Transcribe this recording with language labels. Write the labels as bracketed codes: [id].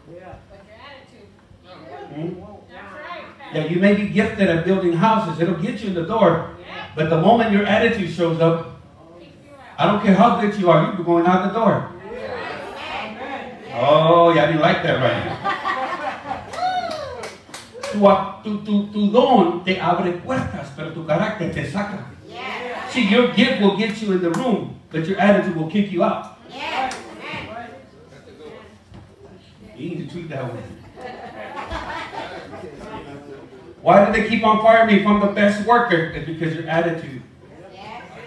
[en] Yeah, but your attitude. Yeah, you may be gifted at building houses. It'll get you in the door. But the moment your attitude shows up, I don't care how good you are, you're going out the door. Oh, yeah, I didn't like that right now. [es] Tu don te abre puertas, pero tu carácter te saca. [en] Yes. See, your gift will get you in the room, but your attitude will kick you out. Yes. You need to tweet that one. Why do they keep on firing me if I'm the best worker? It's because your attitude. Yes.